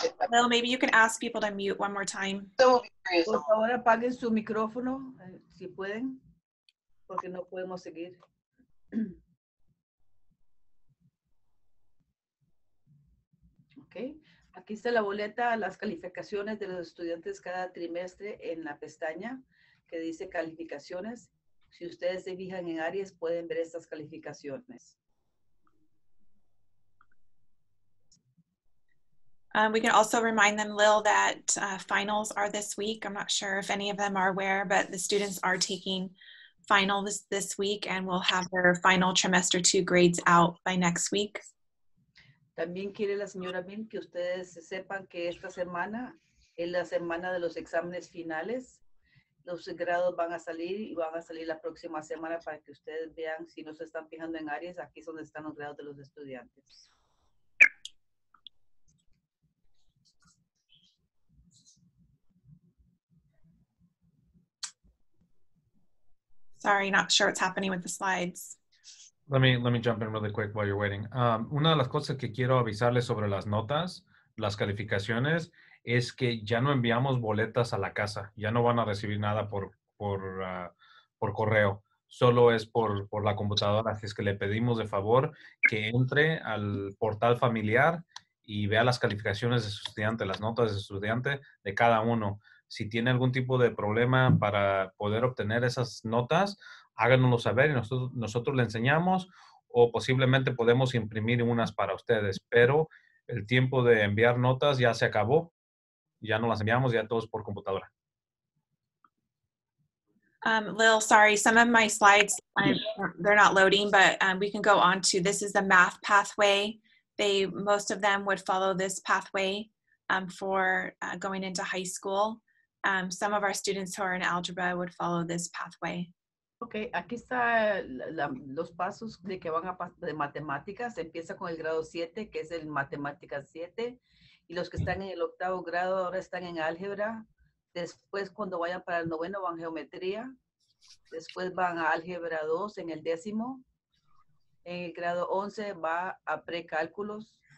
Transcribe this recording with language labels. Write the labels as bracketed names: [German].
[English] Well, maybe you can ask people to mute one more time. [Spanish] Por favor, apaguen su micrófono, si pueden, porque no podemos seguir. Ok, aquí está la boleta, las calificaciones de los estudiantes cada trimestre en la pestaña que dice calificaciones. Si ustedes se fijan en áreas, pueden ver estas calificaciones. [English] We can also remind them, Lil, that finals are this week. I'm not sure if any of them are aware, but the students are taking finals this week and will have their final trimester two grades out by next week. [Spanish] También quiere la señora Bill que ustedes sepan que esta semana es la semana de los exámenes finales. Los grados van a salir y van a salir la próxima semana para que ustedes vean si no se están fijando en áreas. Aquí es donde están los grados de los estudiantes. [English] Sorry, not sure what's happening with the slides. Let me jump in really quick while you're waiting. [Spanish] Una de las cosas que quiero avisarles sobre las notas, las calificaciones, es que ya no enviamos boletas a la casa. Ya no van a recibir nada por correo. Solo es por la computadora. Así es que le pedimos de favor que entre al portal familiar y vea las calificaciones de su estudiante, las notas de su estudiante, de cada uno. Si tiene algún tipo de problema para poder obtener esas notas, háganoslo saber y nosotros le enseñamos o posiblemente podemos imprimir unas para ustedes. Pero el tiempo de enviar notas ya se acabó. Ya no las enviamos, ya todos por computadora. [English] Lil, sorry, some of my slides, they're not loading, but we can go on to, this is the math pathway. Most of them would follow this pathway for going into high school. Some of our students who are in algebra would follow this pathway. [Spanish] Okay, aquí está los pasos de que van a de matemáticas. Empieza con el grado 7, que es el matemáticas 7. Y los que están en el octavo grado ahora están en álgebra. Después, cuando vayan para el noveno, van geometría. Después van a álgebra 2 en el décimo. En el grado 11 va a precálculos.